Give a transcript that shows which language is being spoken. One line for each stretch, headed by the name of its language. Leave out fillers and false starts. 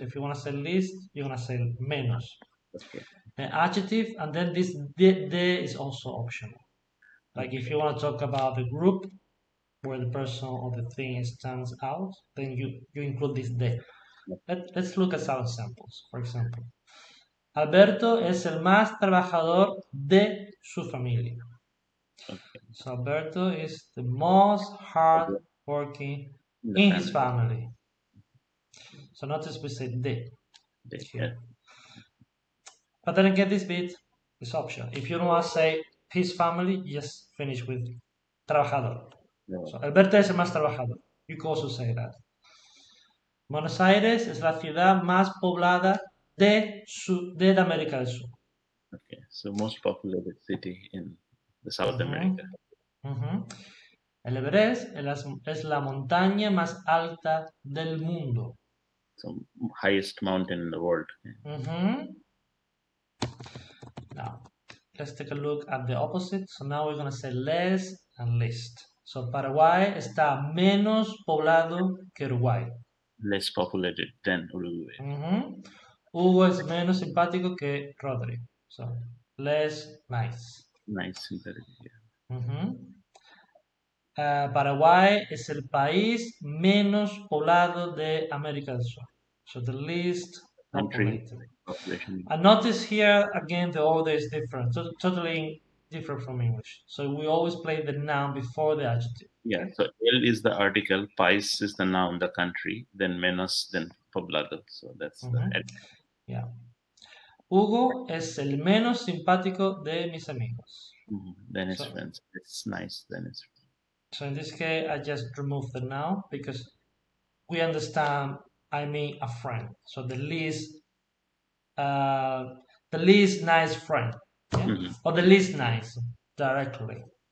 English: If you want to say least, you're going to say menos. Okay. The adjective, and then this de is also optional. Like, okay, if you want to talk about the group where the person or the thing stands out, then you include this de. Let's look at some examples. For example,
Spanish: Alberto es el más trabajador de su familia.
English: Okay. So Alberto is the most hard working in his family. So notice we say de. But then again, this bit is optional. If you don't want to say his family, just finish with trabajador. No. So
Spanish: Alberto es el más trabajador.
English: You can also say that.
Spanish: Buenos Aires es la ciudad más poblada de América del Sur.
English: Okay, so most populated city in the South America.
Spanish: El Everest es la montaña más alta del mundo.
English: So highest mountain in the world. Now, let's take a look at the opposite. So now we're going to say less and least.
Spanish: So Paraguay está menos poblado que Uruguay.
English: Less populated than Uruguay.
Spanish: Hugo es menos simpático que Rodri.
English: So, less nice. Nice, simpatico, yeah.
Spanish: Paraguay es el país menos poblado de América del Sur.
English: So, the least populated. And notice here, again, the order is different. Totally different from English. So, we always play the noun before the adjective. Yeah, so el is the article, país is the noun, the country, then menos, then poblado. So that's the adjective. Yeah.
Spanish: Hugo es el menos simpático de mis amigos.
English: Mm-hmm. Then his friends. It's nice. Then his friends. So in this case, I just remove the noun because we understand I mean a friend. So the least nice friend. Yeah? Mm-hmm. Or the least nice directly.